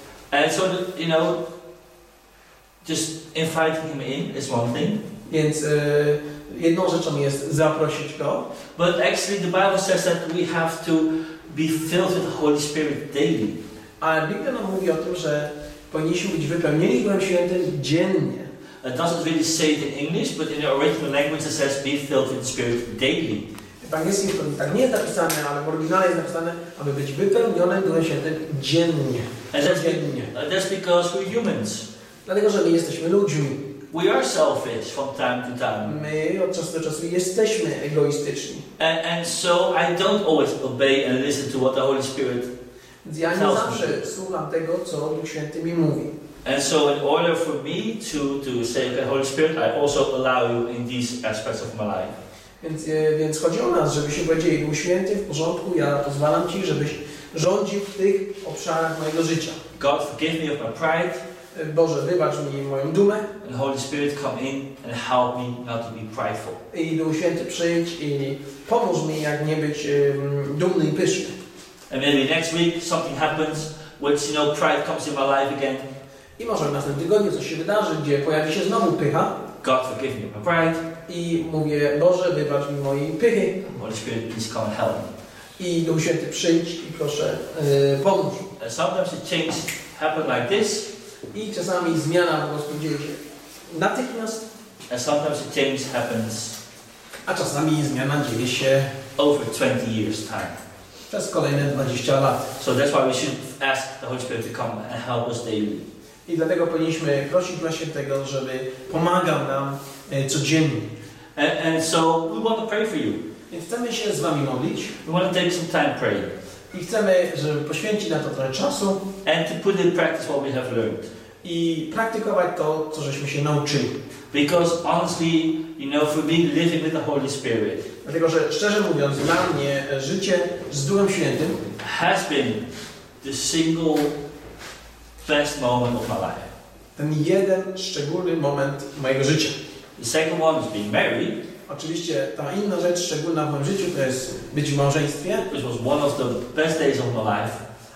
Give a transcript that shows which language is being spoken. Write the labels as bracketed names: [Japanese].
[English] And so, you know, just inviting him in is one thing. [Polish] Więc jedną rzeczą jest zaprosić go. [English] But actually the Bible says that we have to be filled with the Holy Spirit daily. [Polish] A Biblia nam mówi o tym, że powinniśmy być wypełnieni Duchem Świętym dziennie. [English] It doesn't really say it in English, but in the original language it says be filled with the Spirit daily. [Polish] W angielskim to tak nie jest napisane, ale w oryginale jest napisane, aby być wypełnionym Duchem Świętym dziennie. [English] That's because we're humans. [Polish] Dlatego, że my jesteśmy ludźmi. [English] We are selfish from time to time. [Polish] My od czasu do czasu jesteśmy egoistyczni. [English] And so I don't always obey and listen to what the Holy Spirit tells me. [Polish] Ja nie zawsze słucham tego, co Duch Święty mi mówi. [English] And so in order for me to say the Holy Spirit, I also allow you in these aspects of my life. [Polish] Więc chodzi o nas, żeby się powiedzieli, Duch Święty, w porządku, ja pozwalam Ci, żebyś rządził w tych obszarach mojego życia. [English] God, forgive me of my pride. [Polish] Boże, wybacz mi moją dumę. [English] And Holy Spirit, come in and help me not to be prideful. [Polish] I Duch Święty, przyjdź i pomóż mi, jak nie być dumny i pyszny. [English] And maybe next week something happens, which, you know, pride comes in my life again. [Polish] I może w następnym tygodniu coś się wydarzy, gdzie pojawi się znowu pycha. [English] God, forgive me of my pride. [Polish] I mówię, Boże, wybacz mi mojej pychy. [English] Holy Spirit, please come and help me. [Polish] I Duch Święty, przyjdź i proszę, pomóż. [English] Sometimes it changes happen like this. [Polish] I czasami zmiana po prostu dzieje się natychmiast. [English] And sometimes it changes happens. [Polish] A czasami zmiana dzieje się [English] over 20 years time. [Polish] Przez kolejne 20 lat. [English] So that's why we should ask the Holy Spirit to come and help us daily. [Polish] I dlatego powinniśmy prosić Ducha Świętego, żeby pomagał nam codziennie. [English] And so we want to pray for you. [Polish] I chcemy się z wami modlić. [English] We want to take some time praying. [Polish] I chcemy, żeby poświęcić na to trochę czasu. [English] And to put in practice what we have learned. [Polish] I praktykować to, co żeśmy się nauczyli. [English] Because honestly, you know, for me, living with the Holy Spirit. [Polish] Dlatego, że szczerze mówiąc, dla mnie życie z Duchem Świętym [English] has been the single best moment of my life. [Polish] Ten jeden szczególny moment mojego życia. [English] The second one is being married. [Polish] Oczywiście ta inna rzecz szczególna w moim życiu to jest być w małżeństwie. [English] Which was one of the best days of my life.